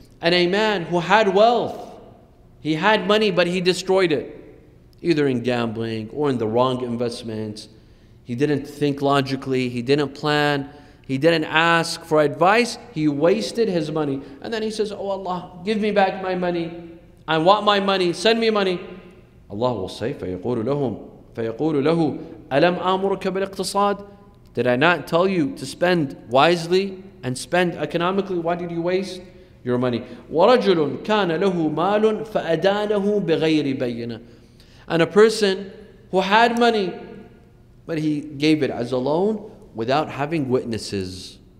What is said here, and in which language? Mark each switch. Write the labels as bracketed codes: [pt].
[en] And a man who had wealth, he had money, but he destroyed it. Either in gambling or in the wrong investments. He didn't think logically. He didn't plan. He didn't ask for advice. He wasted his money. And then he says, oh Allah, give me back my money. I want my money. Send me money. Allah will say, [ar] فَيَقُولُ لَهُ أَلَمْ أَمُرُكَ بِالْإِقْتِصَادِ. [en] Did I not tell you to spend wisely and spend economically? Why did you waste your money? [ar] وَرَجُلٌ كَانَ لَهُ مَالٌ فَأَدَانَهُ بِغَيْرِ بَيِّنَةٍ. [en] And a person who had money, but he gave it as a loan without having witnesses.